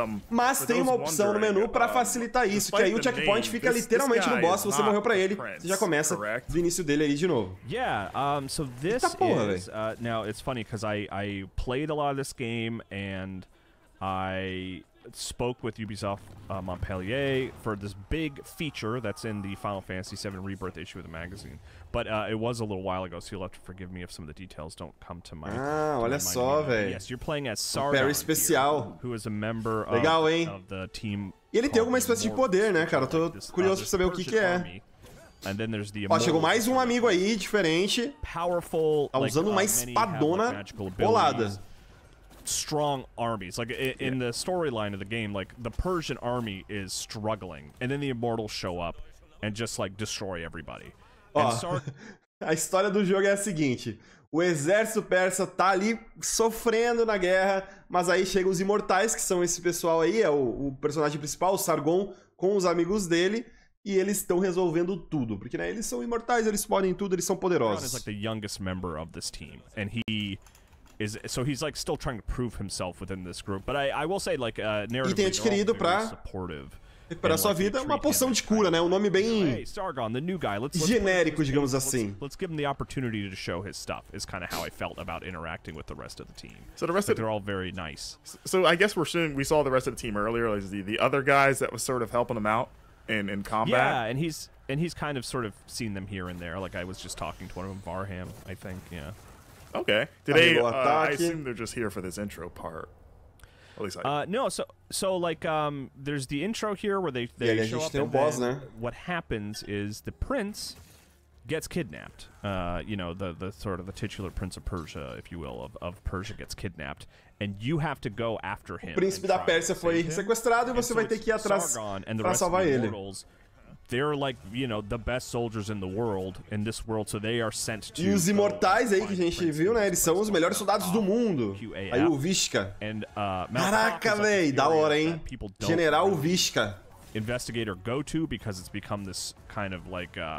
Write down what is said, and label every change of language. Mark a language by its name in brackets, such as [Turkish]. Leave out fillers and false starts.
[Portuguese] Mas tem uma opção no menu pra facilitar isso, que aí o checkpoint fica literalmente no boss, você morreu pra ele, você já começa do início dele aí de novo. Eita porra, velho. [English] Now, it's funny, because I played a lot of this game, and I spoke with Ubisoft Montpellier for this big feature that's in the Final Fantasy VII Rebirth issue of the magazine. But it was a little while ago, so you'll have to forgive me if some of the details don't come to mind. [Portuguese] Olha só, velho. [English] Yes, you're playing as Sargon, very special. Here, who is a member of the team. [Portuguese] E ele tem alguma espécie de poder, né, cara? Tô curioso pra saber o que que é. [English] And then there's the [Portuguese] ó, chegou mais um amigo aí, diferente. [English] Powerful, [Portuguese] tá usando uma espadona bolada. [English] Strong armies, like in the storyline of the game, like the Persian army is struggling, and then the immortals show up and just like destroy everybody. [Portuguese] A história do jogo é a seguinte: o exército persa tá ali sofrendo na guerra, mas aí chegam os imortais, que são esse pessoal aí, é o personagem principal, o Sargon, com os amigos dele, e eles estão resolvendo tudo, porque né, eles são imortais, eles podem tudo, eles são poderosos. [English] Like the youngest member of this team, and he is, so he's like still trying to prove himself within this group, but I will say like narratively, [Portuguese] e tem adquirido pra recuperar sua vida uma poção de cura, né, um nome bem genérico, digamos assim. [English] Let's give him the opportunity to show his stuff is kind of how I felt about interacting with the rest of the team. So the rest of they're all very nice. So I guess we saw the rest of the team earlier, like the other guys that was sort of helping him out in combat. Yeah, and he's kind of sort of seen them here and there, like I was just talking to one of them, Varham, I think. Yeah. Okay. Today, I assume they're just here for this intro part. At least I. No. So like, there's the intro here where they yeah, show up. Yeah, boss, [Portuguese] né? [English] What happens is the prince gets kidnapped. You know, the sort of the titular prince of Persia, if you will, of Persia gets kidnapped, and you have to go after him. [Portuguese] O príncipe da Pérsia foi sequestrado, e você vai ter que ir atrás para salvar ele. [English] They're like, you know, the best soldiers in the world, in this world, so they are sent to... [Portuguese] E os imortais aí que a gente viu, né? Eles são os melhores soldados do mundo. Aí o Vishka. Caraca, véi, da hora, hein? General Vishka. [English] Investigator go-to, because it's become this kind of like,